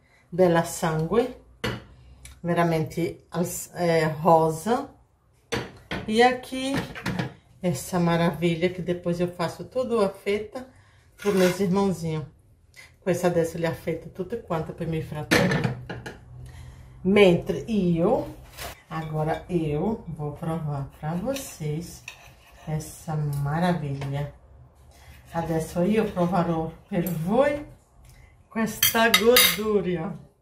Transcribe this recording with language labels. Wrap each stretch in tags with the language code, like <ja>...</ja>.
<it>Bella sangue, veramente rosa. E qui questa meraviglia che poi io faccio tutta la fetta.</it> <pt>Pro meu irmãozinho.</pt> <it>Questa adesso le affetto tutte quante per i miei fratelli.</it> <pt>Mentre agora eu vou provar para vocês essa maravilha.</pt> <it>Adesso io provarò per voi questa goduria.</it>